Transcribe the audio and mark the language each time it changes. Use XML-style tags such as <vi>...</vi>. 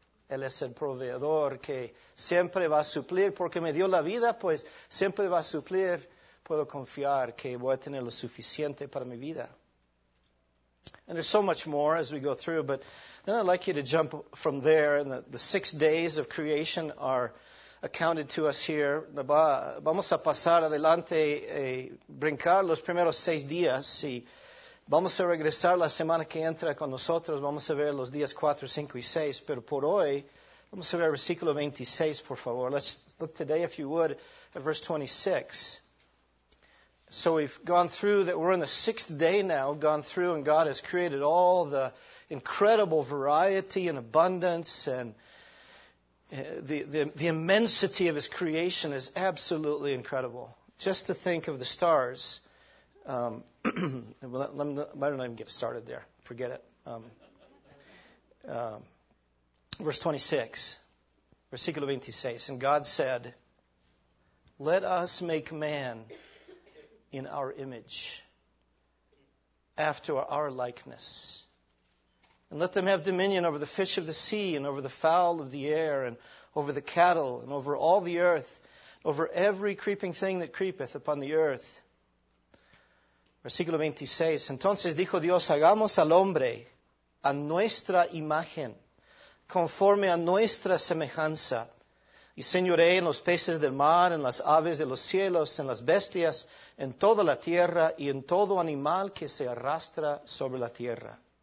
<es>Él es el proveedor que siempre va a suplir porque me dio la vida, pues siempre va a suplir. Puedo confiar que voy a tener lo suficiente para mi vida.</es> <en>And there's so much more as we go through, but then I'd like you to jump from there. And the 6 days of creation are accounted to us here.</en> <es>Vamos a pasar adelante, brincar los primeros 6 días y vamos a regresar la semana que entra con nosotros. Vamos a ver los días 4, 5, and 6. Pero por hoy, vamos a ver versículo 26, por favor.</es> <en>Let's look today, if you would, at verse 26. So we've gone through that we're in the sixth day now. We've gone through and God has created all the incredible variety and abundance. And the immensity of His creation is absolutely incredible. Just to think of the stars. I don't even get started there. Forget it. Verse 26.</en> <es>Versículo 26.</es> <en>And God said, "Let us make man in our image, after our likeness. And let them have dominion over the fish of the sea, and over the fowl of the air, and over the cattle, and over all the earth, over every creeping thing that creepeth upon the earth."</en> <es>Versículo 26. Entonces dijo Dios, hagamos al hombre a nuestra imagen, conforme a nuestra semejanza. Y señoré en los peces del mar, en las aves de los cielos, en las bestias, en toda la tierra, y en todo animal que se arrastra sobre la tierra.</es>